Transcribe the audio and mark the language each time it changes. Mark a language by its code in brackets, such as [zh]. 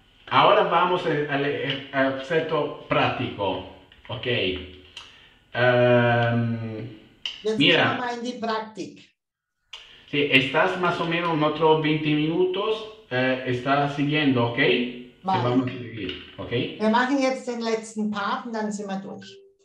[es] Ahora vamos al aspecto práctico. Okay. Mira. [de] Jetzt gehen wir in die Praktik. [es] Sí, estás más o menos en otros 20 minutos. Estás siguiendo, okay? Vale. Vamos a seguir, okay? [de] Wir machen jetzt den letzten Part und dann sind wir durch.